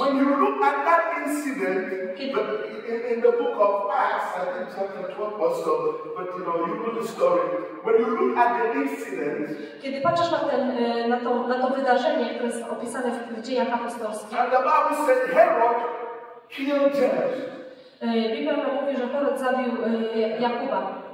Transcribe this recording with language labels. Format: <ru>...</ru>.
<en>When you look at that incident in the book of Acts, I think chapter 12 or so, but you know the story. When you look at the incident,</en> <pl>kiedy patrzysz na to wydarzenie, które jest opisane w Dziejach Apostolskich,</pl> <en>and the Bible said Herod killed James.</en> <pl>Biblia nam mówi, że Herod zabił Jakuba.</pl>